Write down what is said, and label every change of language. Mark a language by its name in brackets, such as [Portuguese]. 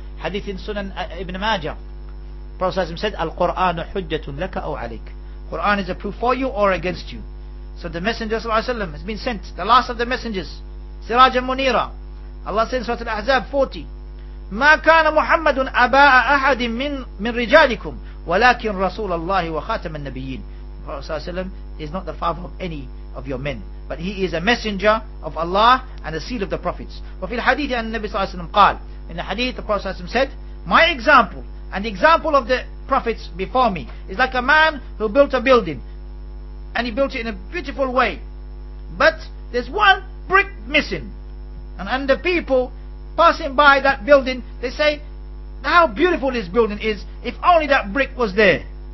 [English] Hadith in Sunan Ibn Majah. Prophet said, [Arabic] Al-Qur'an hujjatun laka aw alayk. [English] Quran is a proof for you or against you. So the Messenger وسلم, has been sent, the last of the messengers, Siraj al-Munira. Allah says in Surah Al-Ahzab 40, [Arabic] مَا كَانَ مُحَمَّدٌ أَبَاءَ أَحَدٍ مِّن رِجَالِكُمْ وَلَكِنْ رَسُولَ اللَّهِ وَخَاتَمَ النَّبِيِّينَ. [English] Prophet ﷺ is not the father of any of your men, but he is a messenger of Allah and a seal of the prophets. [Arabic] وَفِي الْحَدِيثِ أَنَّ النَّبِي صَلَى اللَّهُ عَلَيْهِ وَسَلَّمَ قَالَ. [English] In the hadith, the Prophet ﷺ said, my example and the example of the prophets before me is like a man who built a building, and he built it in a beautiful way, but there's one brick missing, and the people passing by that building, they say, how beautiful this building is, if only that brick was there.